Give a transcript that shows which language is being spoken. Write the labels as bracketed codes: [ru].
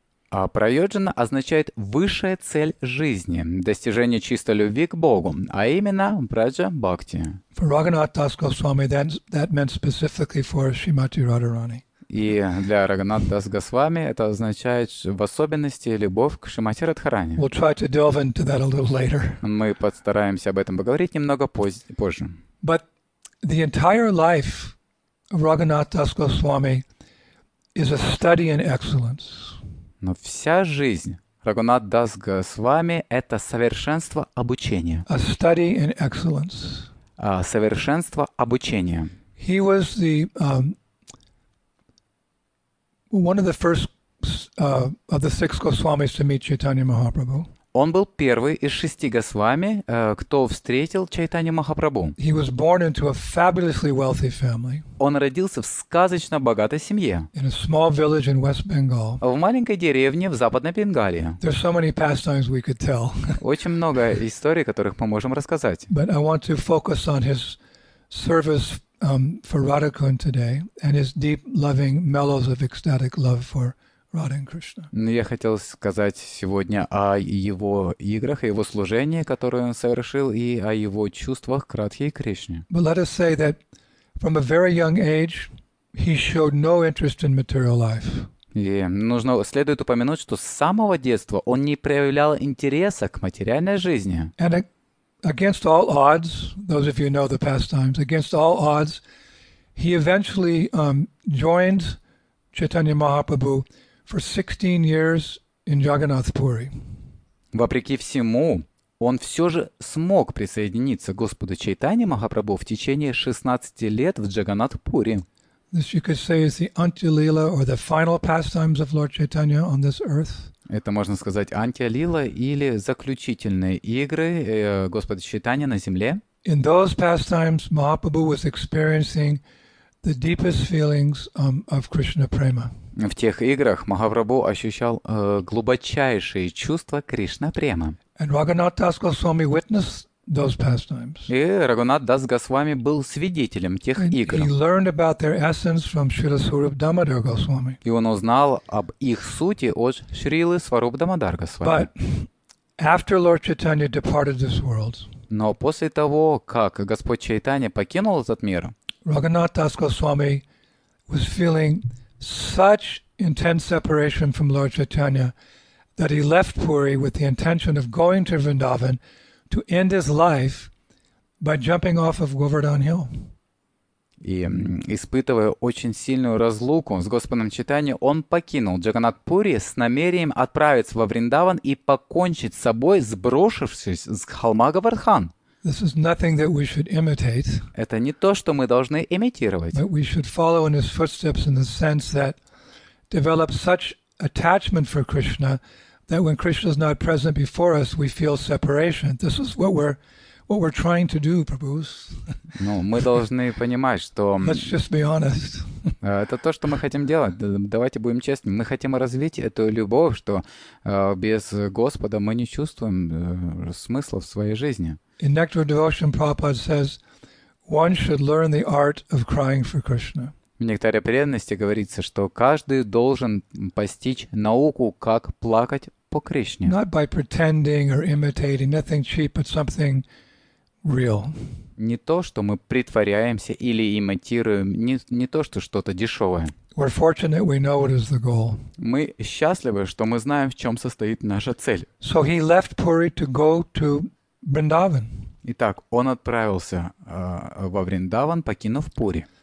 [ru] А Prayojana означает высшая цель жизни, достижение чистой любви к Богу, а именно Braja Bhakti. [en] For Raghunath Das Goswami, that meant specifically for Srimati Radharani. [ru] И для Raghunath Das Goswami это означает в особенности любовь к Шримати Радхарани. [en] We'll try to delve into that a little later. [ru] Мы постараемся об этом поговорить немного позже. [en] But the entire life of Raghunath Das Goswami is a study in excellence. [ru] Но вся жизнь Рагханата Дас Госвами — это совершенство обучения. [en] A study in excellence. [ru] совершенство обучения. [en] He was the one of the first of the six Goswamis to meet Chaitanya Mahaprabhu. [ru] Он был первый из шести Госвами, кто встретил Чайтанью Махапрабху. [en] He was born into a fabulously wealthy family. [ru] Он родился в сказочно богатой семье. [en] In a small village in West Bengal. [ru] В маленькой деревне в Западной Бенгалии. [en] There's so many pastimes we could tell. [ru] Очень много историй, которых мы можем рассказать. [en] But I want to focus on his service for Radhakun today and his deep loving mellows of ecstatic love for [ru] Я хотел сказать сегодня о его играх, о его служении, которое он совершил, и о его чувствах к Радхе и Кришне. [en] But let us say that from a very young age he showed no interest in material life. [ru] И нужно следует упомянуть, что с самого детства он не проявлял интереса к материальной жизни. [en] And against all odds, those of you know the pastimes, against all odds, he eventually joined Chaitanya Mahaprabhu. For 16 years in Jagannath Puri. [ru] Вопреки всему, он все же смог присоединиться к Господу Чайтанье Махапрабху в течение 16 лет в Джаганатхпури. [en] This you could say is the Антилила or the final pastimes of Lord Chaitanya on this earth. [ru] Это можно сказать Антилила или заключительные игры Господа Чайтанья на земле. [en] In those pastimes, Mahaprabhu was experiencing the deepest feelings of Krishna prema. [ru] В тех играх Махапрабху ощущал глубочайшие чувства Кришна-према. И Рагхунат Дас Госвами был свидетелем тех игр. И он узнал об их сути от Шрилы Сваруп Дамодар Госвами. Но после того, как Господь Чайтанья покинул этот мир, [en] Рагхунат Дас Госвами was feeling such intense separation from Lord Chaitanya that he left Puri with the intention of going to Vrindavan to end his life by jumping off of Govardhan Hill. [ru] И испытывая очень сильную разлуку с Господом Чайтанья, он покинул Джаганнат Пури с намерением отправиться во Вриндаван и покончить с собой, сброшившись с холма Говардхан. [en] This is nothing that we should imitate. [ru] Это не то, что мы должны имитировать. [en] But we should follow in his footsteps in the sense that develop such attachment for Krishna that when Krishna is not present before us, we feel separation. This is what we're trying to do, Prabhus. [ru] Ну, мы должны понимать, что... [en] Let's just be honest. [ru] Это то, что мы хотим делать. Давайте будем честны. Мы хотим развить эту любовь, что без Господа мы не чувствуем смысла в своей жизни. [en] In Nectar of Devotion, Prabhupada says, one should learn the art of crying for Krishna. [ru] В «Нектаре преданности» говорится, что каждый должен постичь науку, как плакать по Кришне. [en] Not by pretending or imitating, nothing cheap, but something real. [ru] Не то, что мы притворяемся или имитируем, не то, что что-то дешевое. [en] We're fortunate we know what is the goal. [ru] Мы счастливы, что мы знаем, в чем состоит наша цель. [en] So he left Puri to go to Vrindavan. [ru] Итак, он отправился во Вриндаван, покинув Пури.